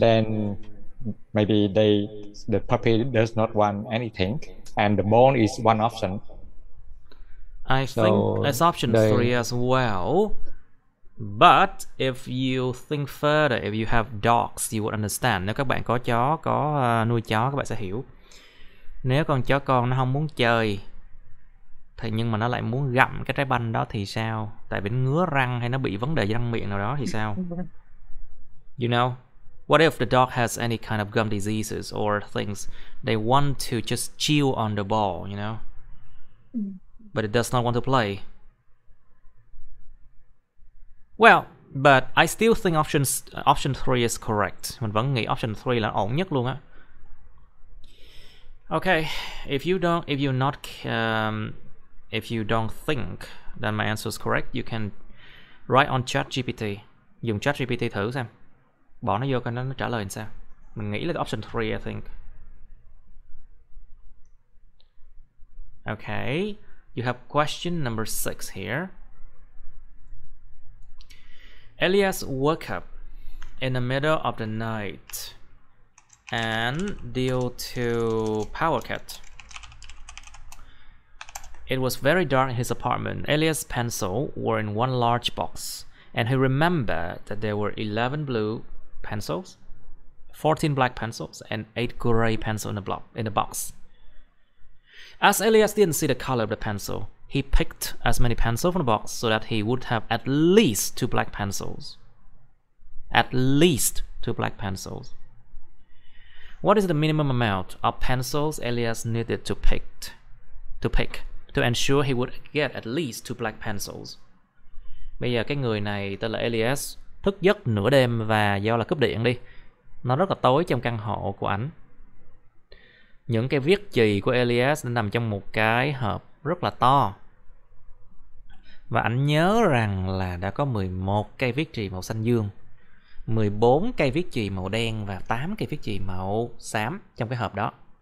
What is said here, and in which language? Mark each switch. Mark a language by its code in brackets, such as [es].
[en] then maybe the puppy does not want anything, and the bone is one option. I think it's option three as well. But if you think further, if you have dogs, you would understand. [vi] Nếu các bạn có chó, có nuôi chó, các bạn sẽ hiểu. Nếu con chó con nó không muốn chơi, thì nhưng mà nó lại muốn gặm cái trái banh đó thì sao? Tại vì nó ngứa răng hay nó bị vấn đề răng miệng nào đó thì sao? [en] You know, what if the dog has any kind of gum diseases or things they want to just chew on the ball, you know? But it does not want to play. Well, but I still think option 3 is correct. [vi] Mình vẫn nghĩ option 3 là ổn nhất luôn á. [en] Okay, if you don't think that my answer is correct, you can write on ChatGPT. [vi] Dùng ChatGPT thử xem. Bỏ nó vô coi nó trả lời làm sao. Mình nghĩ là option 3, [en] I think. Okay, you have question number 6 here. Elias woke up in the middle of the night and due to power cut. It was very dark in his apartment. Elias' pencils were in one large box, and he remembered that there were 11 blue pencils, 14 black pencils, and 8 gray pencils in the box. As Elias didn't see the color of the pencil, he picked as many pencils from the box so that he would have at least 2 black pencils. At least 2 black pencils. What is the minimum amount of pencils Elias needed to pick? To ensure he would get at least 2 black pencils. [vi] Bây giờ cái người này tên là Elias, thức giấc nửa đêm và do là cúp điện đi. Nó rất là tối trong căn hộ của ảnh. Những cái viết chì của Elias nằm trong một cái hộp rất là to. Và ảnh nhớ rằng là đã có 11 cây viết chì màu xanh dương, 14 cây viết chì màu đen và 8 cây viết chì màu xám trong cái hộp đó.